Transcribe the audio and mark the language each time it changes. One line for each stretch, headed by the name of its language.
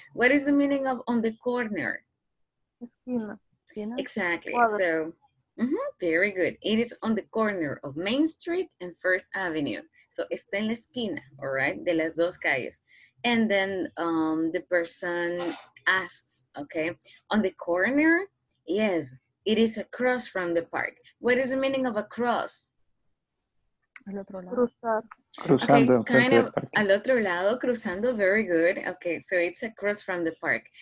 English: What is the meaning of on the corner?
Spanish: Esquina.
English: Exactly. Very good. It is on the corner of Main Street and First Avenue.
Spanish: So está en la esquina,
English: all right,
Spanish: de las dos calles.
English: And then the person asks, okay, on the corner? Yes. It is across from the park. What is the meaning of across?
Spanish: Al otro lado. Cruzar. Cruzando.
English: Okay, kind of
Spanish: al otro lado, cruzando,
English: very good. Okay, so it's across from the park.